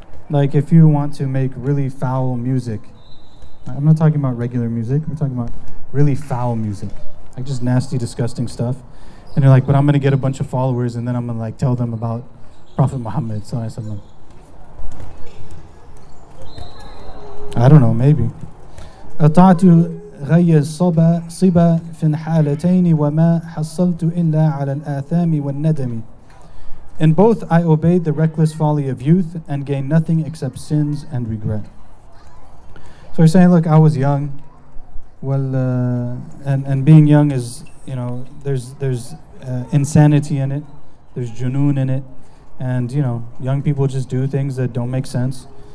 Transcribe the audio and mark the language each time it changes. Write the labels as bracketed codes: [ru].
[en] Like if you want to make really foul music, I'm not talking about regular music, we're talking about really foul music, like just nasty, disgusting stuff. And you're like, but I'm gonna get a bunch of followers and then I'm gonna like tell them about Prophet Muhammad sallallahu alaihi wasallam. I don't know, maybe. [ar] أطعتُ غيَّ الصبَا صبَا في الحالتين وما حصلتُ إلا على الآثام والندم. [en] In both, I obeyed the reckless folly of youth and gained nothing except sins and regret. So he's saying, look, I was young. Well, and being young is, you know, there's insanity in it, there's junoon in it, and you know, young people just do things that don't make sense.